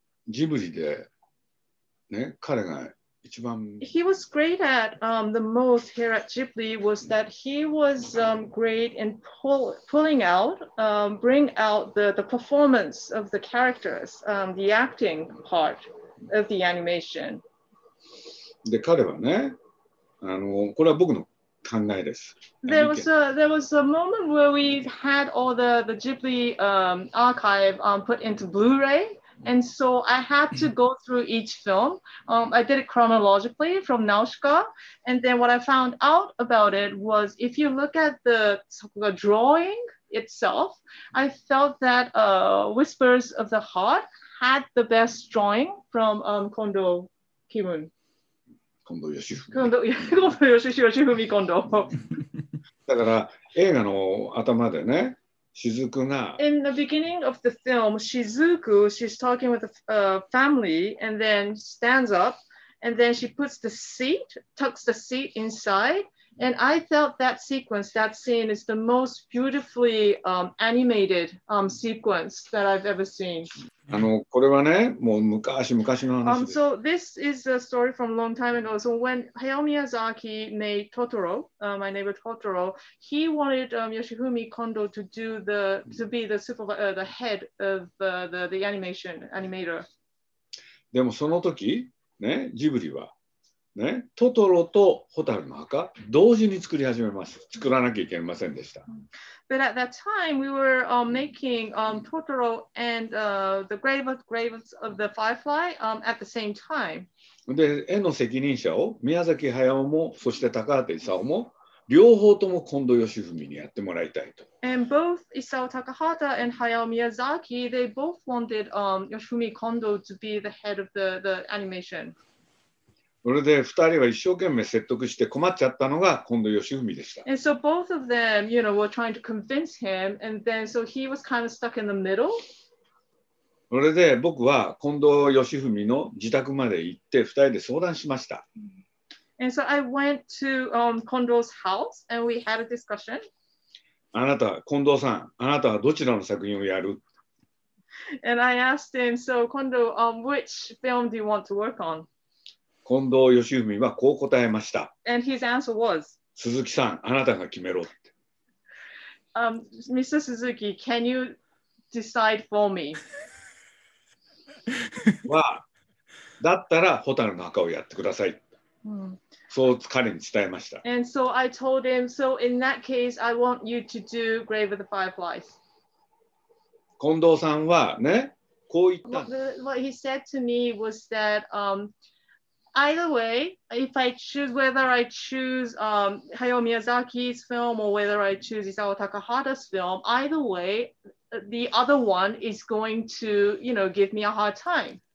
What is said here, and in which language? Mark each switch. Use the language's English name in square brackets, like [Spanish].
[Japanese] Ghibli de, ne, kare ga... [English] He was great at the most here at Ghibli was that he was great in pulling out, bring out the performance of the characters, the acting part of the animation. [Japanese] で、彼はね、これは僕の考えです。 [English] There was a moment where we had all the Ghibli archive put into Blu-ray. And so I had to go through each film. I did it chronologically from Nausicaa. And then what I found out about it was if you look at the drawing itself, I felt that Whispers of the Heart had the best drawing from Kondo Kimun. Kondo Yoshifumi Kondo. [Japanese] だから映画の頭でね、Shizuku が [English] In the beginning of the film, Shizuku, she's talking with a family and then stands up and then she puts the seat, tucks the seat inside. And I felt that sequence, that scene is the most beautifully animated sequence that I've ever seen. [Japanese] これはね、もう昔々の話で。 [English] So this is a story from a long time ago. So when Hayao Miyazaki made Totoro, My Neighbor Totoro, he wanted Yoshifumi Kondo to do the head of the animator. [Japanese] でもその時、ね、ジブリはね、トトロとホタルの墓同時に作り始めます。作らなきゃいけませんでした。 [English] But at that time, we were making Totoro and the Grave of the Firefly at the same time. [Japanese] で、絵の責任者を宮崎駿も、そして高畑勲も、両方とも近藤義文にやってもらいたいと。 [English] And both Isao Takahata and Hayao Miyazaki, they both wanted Yoshifumi Kondo to be the head of the animation. [Japanese] それで二人は一生懸命説得して困っちゃったのが近藤義文でした。 [English] And so both of them, you know, were trying to convince him, and then so he was kind of stuck in the middle. [Japanese] それで僕は近藤義文の自宅まで行って二人で相談しました。 [English] And so I went to Kondo's house and we had a discussion. [Japanese] あなた、近藤さん、あなたはどちらの作品をやる？ [English] And I asked him, so Kondo, which film do you want to work on? [Japanese] 近藤義文はこう答えました。 [English] And his answer was, [Japanese] 鈴木さん、あなたが決めろって。 [English] Mr. Suzuki, can you decide for me? [Japanese] は、だったら蛍の墓をやってください。そう彼に伝えました。 [English] And so I told him, so in that case, I want you to do Grave of the Fireflies. [Japanese] 近藤さんはね、こう言った。 [English] What he said to me was that, Either way, if I choose whether I choose Hayao Miyazaki's film or whether I choose Isao Takahata's film, either way, the other one is going to, you know, give me a hard time.